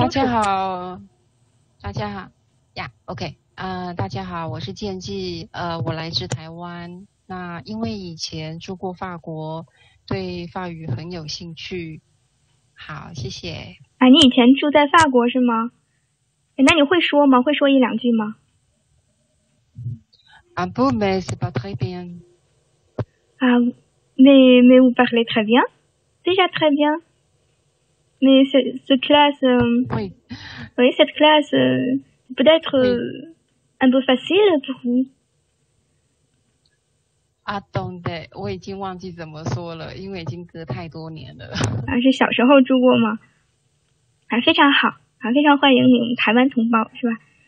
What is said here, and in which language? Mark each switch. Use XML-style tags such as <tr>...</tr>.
<zh>大家好，大家好，呀、yeah, ，OK。大家好，我是建记，我来自台湾。那因为以前住过法国，对法语很有兴趣。好，谢谢。啊，你以前住在法国是吗？那你会说吗？会说一两句吗</zh> <fr>？Un peu, mais c'est pas très bien. Ah, mais vous parlez très bien. Déjà très bien. Mais cette classe. Oui. Oui, cette classe peut-être.、 Oui. Un peu facile pour vous. Attendez,</fr> <zh>我已经忘记怎么说了，因为已经隔太多年了。啊，是小时候住过吗？啊，非常好，啊，非常欢迎你们台湾同胞，是吧？</zh>